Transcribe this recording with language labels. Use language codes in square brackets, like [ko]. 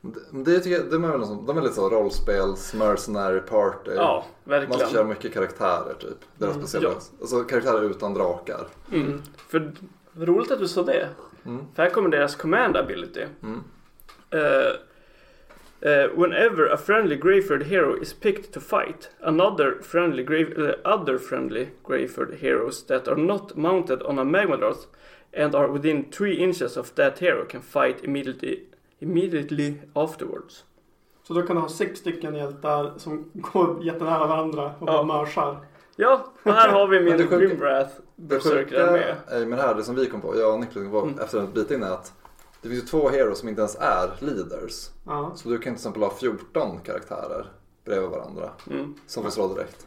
[sv] De är lite så rollspels mercenary party. Ja, verkligen. Man kör mycket karaktärer typ. Det är speciellt. Ja. Alltså karaktärer utan drakar. Mm. För roligt att du sa det. Mm. För här kommer deras command ability. Mm. [en] Whenever a friendly Greyford hero is picked to fight, other friendly Greyford heroes that are not mounted on a Magmadroth and are within 3 inches of that hero can fight immediately afterwards. [sv] Så då kan du ha 6 stycken hjältar som går jättenära varandra och bara mörsar. Ja, och här har vi min Grimwrath Berserker med. Men här, det som vi kom på, jag och Niklas var efter en bit in, att det finns ju 2 heroes som inte ens är leaders. Ja. Så du kan till exempel ha 14 karaktärer bredvid varandra som får slå direkt.